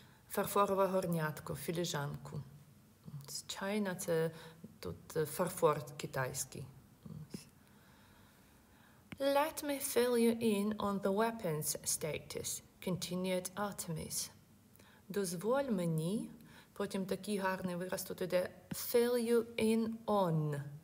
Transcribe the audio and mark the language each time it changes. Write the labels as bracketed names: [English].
[Ukrainian] фарфорове горнятко, філіжанку. Чайна – це тут фарфор китайський. [English] Let me fill you in on the weapons status, continued Artemis. [Ukrainian] Дозволь мені, потім такий гарний вираз тут іде, [English] fill you in on.